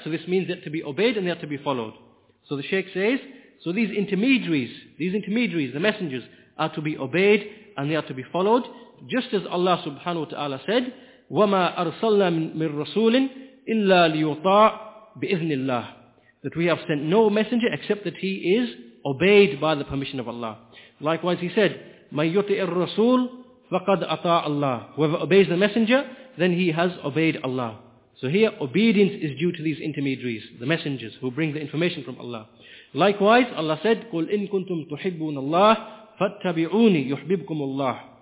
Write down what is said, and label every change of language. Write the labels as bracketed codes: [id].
[en] So this means they are to be obeyed and they are to be followed. So the Shaykh says, so these intermediaries, the messengers, are to be obeyed and they are to be followed, just as Allah subhanahu wa ta'ala said, [ar] وَمَا أَرْسَلْنَا مِنْ رَسُولٍ إِلَّا لِيُطَاعَ بِإِذْنِ اللَّهِ. [en] That we have sent no messenger except that he is obeyed by the permission of Allah. Likewise he said, [ar] مَنْ يُطِعِ الرَّسُولِ فَقَدْ أَطَاعَ اللَّهِ. [en] Whoever obeys the messenger, then he has obeyed Allah. So here, obedience is due to these intermediaries, the messengers who bring the information from Allah. Likewise, Allah said, [ar] قُلْ إِن كُنْتُمْ تُحِبُّونَ اللَّهِ فَاتَّبِعُونِي يُحْبِبْكُمُ اللَّهِ.